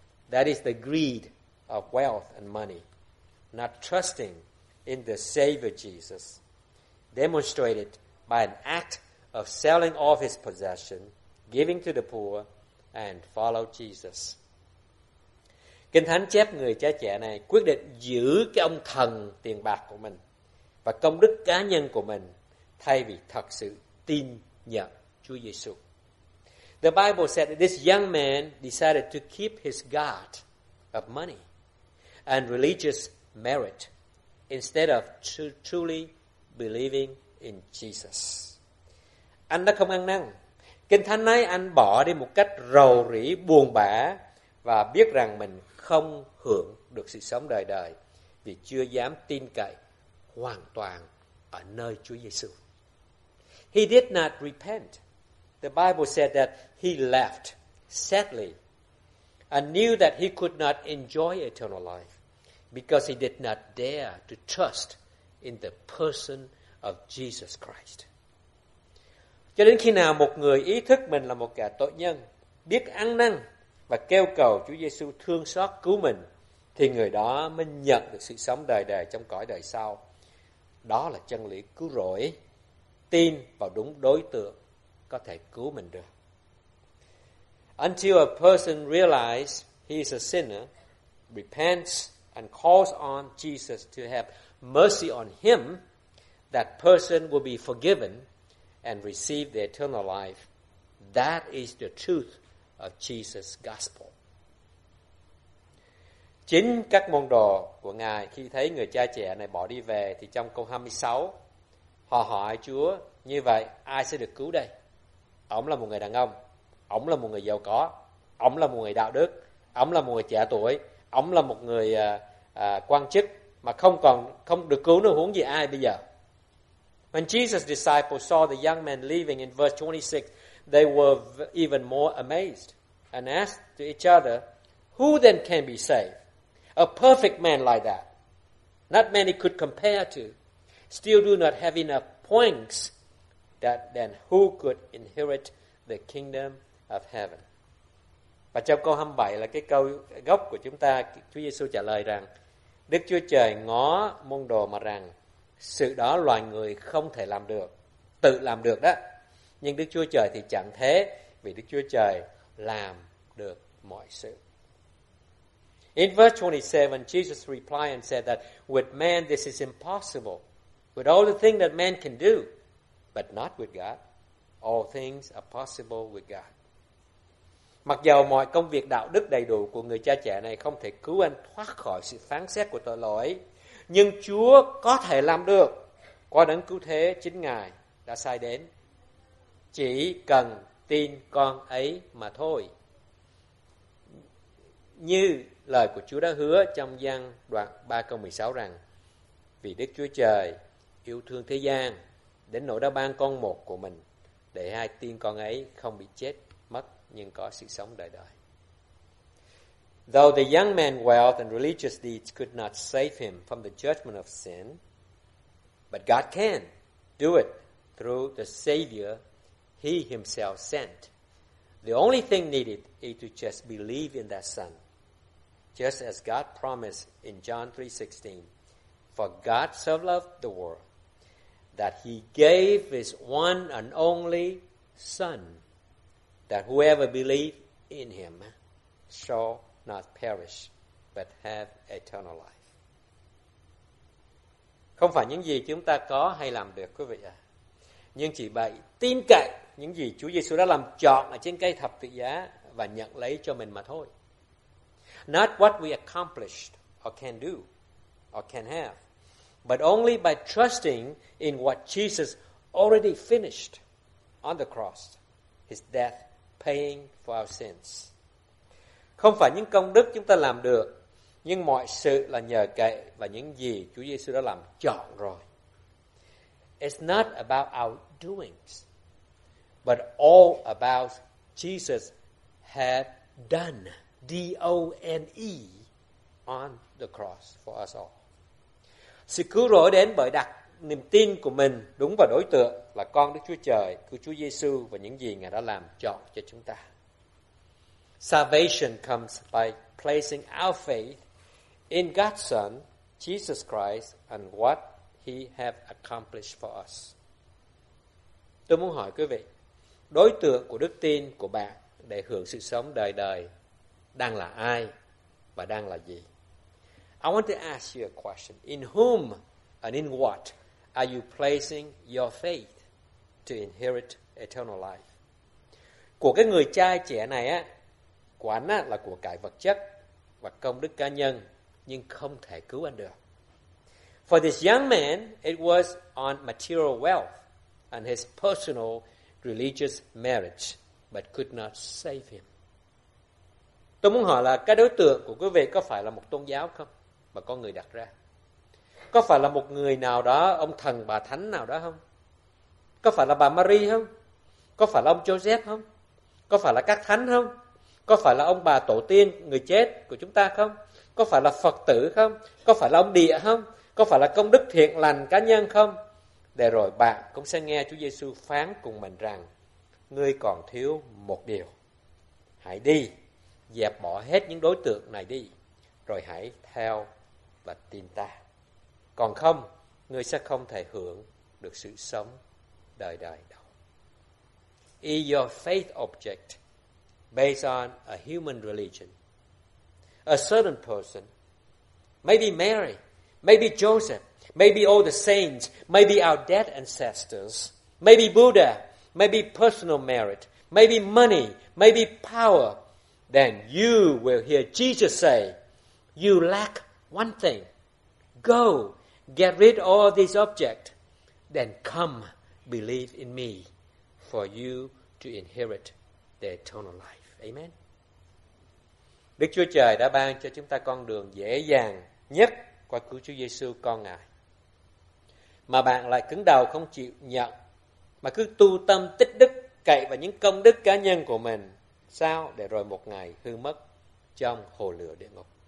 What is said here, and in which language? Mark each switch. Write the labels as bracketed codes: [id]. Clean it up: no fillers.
[en] That is the greed of wealth and money. Not trusting in the Savior Jesus, demonstrated by an act of selling off his possession, giving to the poor, and follow Jesus. [vi] Kinh Thánh chép người cha trẻ này quyết định giữ cái ông thần tiền bạc của mình và công đức cá nhân của mình thay vì thật sự tin nhận Chúa Giê-xu. [en] The Bible said that this young man decided to keep his God of money and religious merit instead of truly believing in Jesus. [vi] Anh đã không ăn năn. Kinh Thánh nói anh bỏ đi một cách rầu rĩ buồn bã và biết rằng mình không hưởng được sự sống đời đời vì chưa dám tin cậy hoàn toàn ở nơi Chúa Giê-xu. [en] He did not repent. The Bible said that he left sadly and knew that he could not enjoy eternal life because he did not dare to trust in the person of Jesus Christ. [vi] Cho đến khi nào một người ý thức mình là một kẻ tội nhân, biết ăn năn và kêu cầu Chúa Giê-xu thương xót cứu mình, thì người đó mới nhận được sự sống đời đời trong cõi đời sau. Đó là chân lý cứu rỗi, tin vào đúng đối tượng có thể cứu mình được. [en] Until a person realizes he is a sinner, repents and calls on Jesus to have mercy on him, that person will be forgiven and receive the eternal life. That is the truth of Jesus' gospel. [vi] Chính các môn đồ của Ngài khi thấy người cha trẻ này bỏ đi về, thì trong câu 26 họ hỏi Chúa, như vậy ai sẽ được cứu đây? Ông là một người đàn ông, ông là một người giàu có, ông là một người đạo đức, ông là một người trẻ tuổi, ông là một người quan chức mà không được cứu nữa, huống gì ai bây giờ? [en] When Jesus' disciples saw the young man leaving in verse 26, they were even more amazed and asked to each other, who then can be saved? a perfect man like that, not many could compare to, still do not have enough points, that then who could inherit the kingdom of heaven? [vi] Và trong câu 27 là cái câu gốc của chúng ta, Chúa Giê-xu trả lời rằng, Đức Chúa Trời ngó môn đồ mà rằng, sự đó loài người không thể làm được, tự làm được đó. Nhưng Đức Chúa Trời thì chẳng thế, vì Đức Chúa Trời làm được mọi sự. [en] In verse 27, Jesus replied and said that with man this is impossible. With all the things that man can do, but not with God, all things are possible with God. [vi] Mặc dầu mọi công việc đạo đức đầy đủ của người cha trẻ này không thể cứu anh thoát khỏi sự phán xét của tội lỗi, nhưng Chúa có thể làm được. Qua đấng cứu thế chính Ngài đã sai đến. Chỉ cần tin con ấy mà thôi. Như lời của Chúa đã hứa trong gian đoạn 3 câu 16 rằng, vì Đức Chúa Trời yêu thương thế gian, đến nỗi đã ban con một của mình, để hai tin con ấy không bị chết mất, nhưng có sự sống đời đời. [en] Though the young man's wealth and religious deeds could not save him from the judgment of sin, but God can do it through the Savior he himself sent. The only thing needed is to just believe in that son. Just as God promised in John 3:16, for God so loved the world that he gave his one and only son, that whoever believes in him shall not perish, but have eternal life. [vi] Không phải những gì chúng ta có hay làm được, quý vị ạ. Nhưng chỉ bởi tin cậy những gì Chúa Giê-xu đã làm trọn ở trên cây thập tự giá và nhận lấy cho mình mà thôi. [en] Not what we accomplished or can do or can have, but only by trusting in what Jesus already finished on the cross, his death paying for our sins. [vi] Không phải những công đức chúng ta làm được, nhưng mọi sự là nhờ cậy và những gì Chúa Giê-xu đã làm trọn rồi. [en] It's not about our doings, but all about Jesus had done, D-O-N-E, on the cross for us all. [vi] Sự cứu rỗi đến bởi đặt niềm tin của mình đúng vào đối tượng là con Đức Chúa Trời, cứu Chúa Giê-xu và những gì Ngài đã làm trọn cho chúng ta. [en] Salvation comes by placing our faith in God's Son, Jesus Christ, and what he has accomplished for us. [vi] Tôi muốn hỏi quý vị, đối tượng của đức tin của bạn để hưởng sự sống đời đời đang là ai và đang là gì? [en] I want to ask you a question. In whom and in what are you placing your faith to inherit eternal life? [vi] Của cái người cha trẻ này á, của anh á, là của cải vật chất và công đức cá nhân, nhưng không thể cứu anh được. [en] For this young man, it was on material wealth and his personal religious marriage, but could not save him. [vi] Tôi muốn hỏi là cái đối tượng của quý vị có phải là một tôn giáo không mà con người đặt ra? Có phải là một người nào đó, ông thần bà thánh nào đó không? Có phải là bà Marie không? Có phải là ông Joseph không? Có phải là các thánh không? Có phải là ông bà tổ tiên người chết của chúng ta không? Có phải là Phật tử không? Có phải là ông địa không? Có phải là công đức thiện lành cá nhân không? Để rồi bạn cũng sẽ nghe Chúa Giê-xu phán cùng mình rằng, ngươi còn thiếu một điều. Hãy đi, dẹp bỏ hết những đối tượng này đi, rồi hãy theo và tin ta. Còn không, ngươi sẽ không thể hưởng được sự sống đời đời đâu. [en] Is your faith object based on a human religion, a certain person, maybe Mary, maybe Joseph, maybe all the saints, maybe our dead ancestors, maybe Buddha, maybe personal merit, maybe money, maybe power, then you will hear Jesus say, you lack one thing. Go, get rid of all these objects, then come, believe in me, for you to inherit the eternal life. Amen. [vi] Đức Chúa Trời đã ban cho chúng ta con đường dễ dàng nhất qua cứu Chúa Giê-xu con Ngài. Mà bạn lại cứng đầu không chịu nhận, mà cứ tu tâm tích đức, cậy vào những công đức cá nhân của mình, sao để rồi một ngày hư mất trong hồ lửa địa ngục.